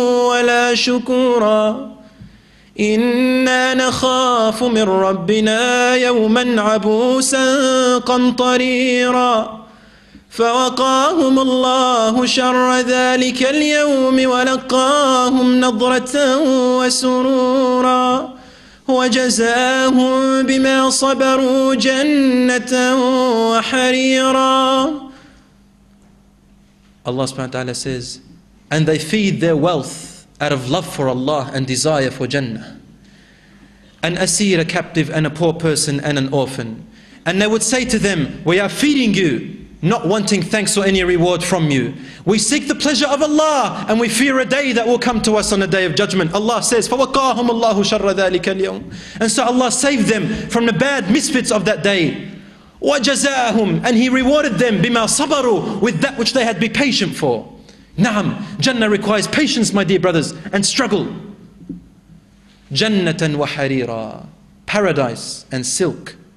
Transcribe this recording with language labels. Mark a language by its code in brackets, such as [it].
[ar] وَلَا شُكُورًا إِنَّا نَخَافُ مِنْ رَبِّنَا يَوْمًا عَبُوسًا قَمْطَرِيرًا فَوَقَاهُمُ اللَّهُ شَرَّ ذَلِكَ الْيَوْمِ وَلَقَّاهُمْ نَضْرَةً وَسُرُورًا وَجَزَاهُمْ بِمَا صَبَرُوا جَنَّةً وَحَرِيرًا. [en] Allah subhanahu wa ta'ala says, and they feed their wealth out of love for Allah and desire for Jannah. An asir, a captive, and a poor person, and an orphan. And they would say to them, we are feeding you, not wanting thanks or any reward from you. We seek the pleasure of Allah and we fear a day that will come to us on the day of judgment. Allah says, [ar] فَوَقَاهُمُ اللَّهُ شَرَّ ذَلِكَ الْيَوْمِ. [en] And so Allah saved them from the bad misfits of that day. [ar] وَجَزَاهُمْ. [en] And He rewarded them [ar] بِمَا صَبَرُوا, [en] with that which they had to be patient for. Naam, Jannah requires patience, my dear brothers, and struggle. [ar] جَنَّةً وَحَرِيرًا. [en] Paradise and silk.